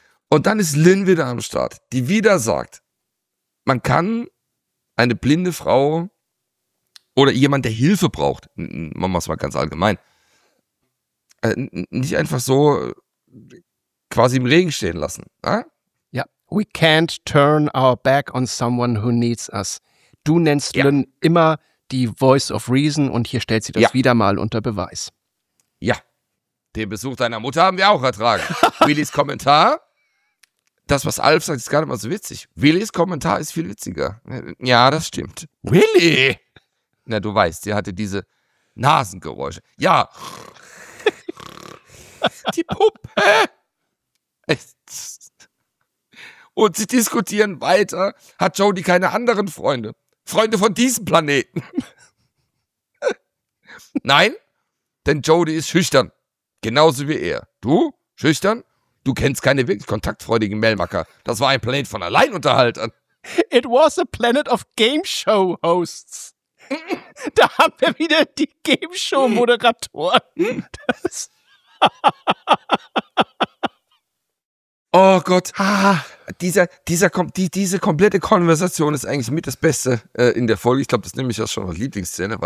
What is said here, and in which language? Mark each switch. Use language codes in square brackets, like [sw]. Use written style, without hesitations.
[de] Und dann ist Lynn wieder am Start, die wieder sagt, man kann eine blinde Frau oder jemand, der Hilfe braucht, machen wir es mal ganz allgemein, nicht einfach so quasi im Regen stehen lassen. Ja, yeah. [en] We can't turn our back on someone who needs us. [de] Du nennst ja. Lynn immer die [en] Voice of Reason [de] und hier stellt sie das ja. Wieder mal unter Beweis. Ja, den Besuch deiner Mutter haben wir auch ertragen. Willis Kommentar, das, was Alf sagt, ist gar nicht mal so witzig. Willis Kommentar ist viel witziger. Ja, das stimmt. Willi! Na, du weißt, sie hatte diese Nasengeräusche. Ja. Die Puppe. Und sie diskutieren weiter. Hat Jody keine anderen Freunde? Freunde von diesem Planeten? Nein? Denn Jody ist schüchtern, genauso wie er. Du, schüchtern, du kennst keine wirklich kontaktfreudigen Mailmacker. Das war ein Planet von Alleinunterhaltern. [en] It was a planet of Game Show Hosts. [de] Da haben wir wieder die Game Show Moderatoren. Oh Gott, diese komplette Konversation ist eigentlich mit das Beste in der Folge. Ich glaube, das nehme ich auch schon als Lieblingsszene.